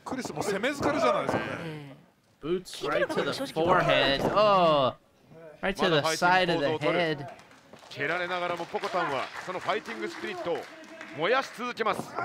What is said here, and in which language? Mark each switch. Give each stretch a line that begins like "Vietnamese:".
Japanese: クリスも攻め疲れじゃないですかね。
English: Boots right to the forehead. Oh, right to the side of the head.
Japanese: 蹴られながらもポコタンはそのファイティングスピリットを燃やし続けます。